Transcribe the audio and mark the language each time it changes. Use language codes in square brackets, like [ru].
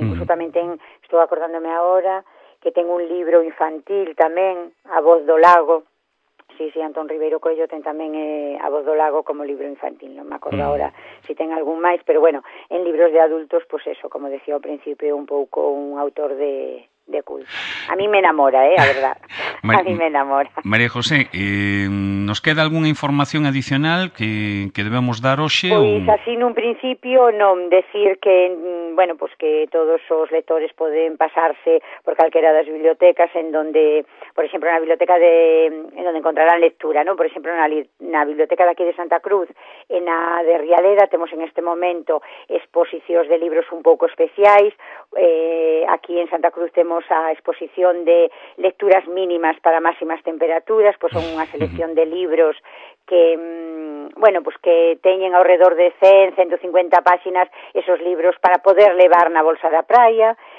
[gl] Incluso tamén estou acordándome agora que ten un libro infantil tamén, A Voz do Lago. Sí, Antón Ribeiro Coello ten tamén A Voz do Lago como libro infantil, non me acordo ahora si ten algún máis, pero bueno, en libros de adultos, pues eso, como decía ao principio, un pouco un autor de culto. [es] A mí me enamora, a verdad, a mí me enamora. María José, ¿nos queda alguna información adicional que debemos dar hoxe? [gl] Pois así, nun principio, non, decir que, bueno, pues que todos os lectores poden pasarse por calquera das bibliotecas en donde, por exemplo, na biblioteca en donde encontrarán lectura, ¿no? Por exemplo, na biblioteca de aquí de Santa Cruz, en a de Rialeda, temos en este momento exposicións de libros un pouco especiais. Aquí en Santa Cruz temos a exposición de lecturas mínimas para máximas temperaturas, pues son unha selección de libros que, bueno, pues que teñen ao redor de 100, 150 páxinas esos libros para poder levar na bolsa da praia,